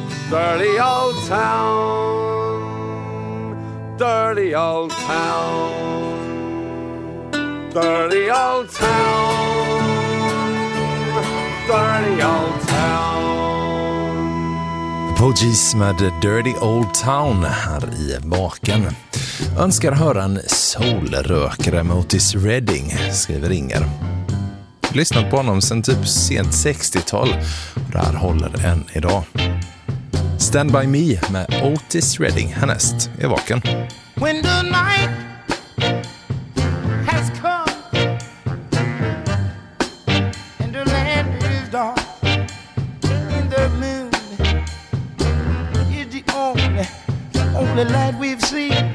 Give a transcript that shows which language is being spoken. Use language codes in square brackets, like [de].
[en] Dirty old town, dirty old town, dirty old town, dirty old town. [sv] Pogies med Dirty Old Town här i baken. Önskar höra en solrökare med Otis Redding, skriver Inger. Lyssnat på honom sedan typ sent 60-tal. Det här håller än idag. Stand By Me med Otis Redding härnäst i baken. [en] When the night has come and the land is dark. The light we've seen.